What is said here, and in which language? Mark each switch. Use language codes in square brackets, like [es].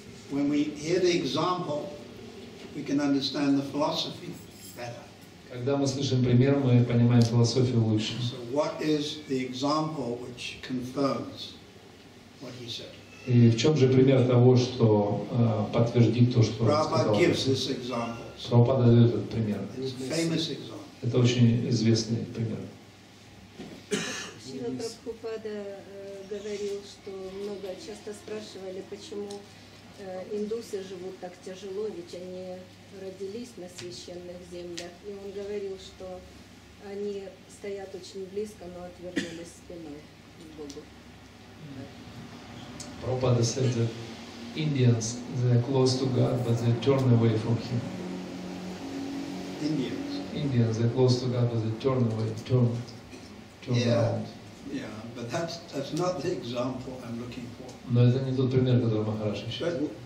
[en] When we hear the example, we can understand the philosophy better. [ru] Когда мы слышим пример, мы понимаем философию лучше. [en] So what is the example which confirms what he said? [ru] И в чем же пример того, что подтвердит то, что Prabhupada сказал? [en] Prabhupada gives this example. [ru] Prabhupada дает этот пример. [en] It's a famous example. [ru] Это очень известный пример. Шрила Прабхупада говорил, что много часто спрашивали, почему индусы живут так тяжело, ведь они родились на священных землях. И он говорил, что они стоят очень близко, но отвернулись спиной к Богу. [en] Prabhupada said that Indians, they are close to God, but they turn away from Him. Indians, they are close to God, but they turn away, turn yeah. around. Yeah, but that's not the example I'm looking for. [ru] Но это не тот пример, который Махараш ищет.